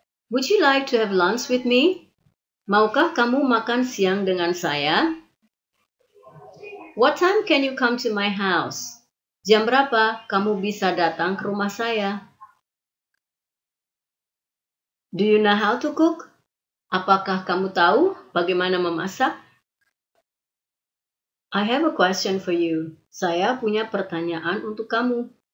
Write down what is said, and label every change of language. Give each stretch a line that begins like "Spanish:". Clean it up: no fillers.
English: Would you like to have lunch with me?
Indonesian: Maukah kamu makan siang dengan saya?
English: What time can you come to my house?
Indonesian: Jam berapa kamu bisa datang ke rumah saya?
English: Do you know how to cook?
Indonesian: Apakah kamu tahu bagaimana memasak?
English: I have a question for you.
Indonesian: Saya punya pertanyaan untuk kamu.